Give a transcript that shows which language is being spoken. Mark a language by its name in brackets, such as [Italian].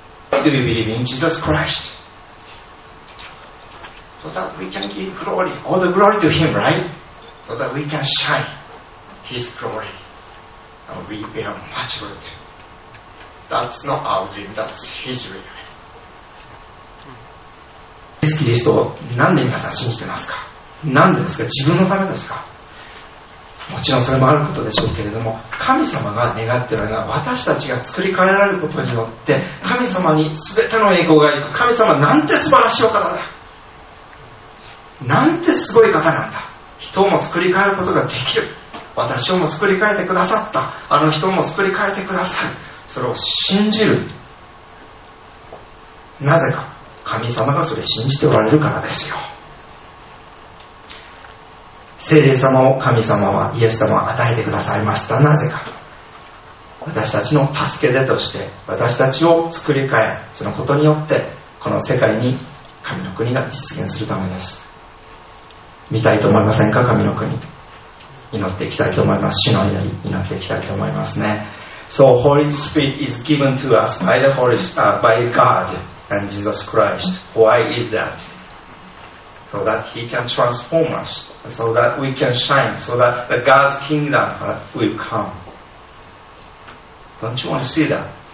[English] Why do we believe in Jesus Christ? So that we can give glory, all the glory to Him, right? So that we can shine His glory. And we bear much fruit. That's not our dream, that's His dream. [Japanese] イエス・キリストを何で皆さん信じてますか？何でですか？自分のためですか？もちろんそれもあることでしょうけれども、神様が願っているのは私たちが作り変えられることによって、神様に全ての栄光がいく。神様なんて素晴らしいお方だ、なんてすごい方なんだ、人も作り変えることができる、私をも作り変えてくださった、あの人も作り変えてくださる、それを信じる。なぜか神様がそれ信じておられるからですよ。聖霊様を神様はイエス様は与えてくださいました。なぜか私たちの助け手として、私たちを作り変え、そのことによってこの世界に神の国が実現するためです。見たいと思いませんか？神の国祈っていきたいと思います。主の祈り祈っていきたいと思いますね。 [English] So Holy Spirit is given to us by the Holy by God and Jesus Christ. Why is that? So that He can transform us, so that we can shine, so that the God's kingdom will come. Don't you want to see that?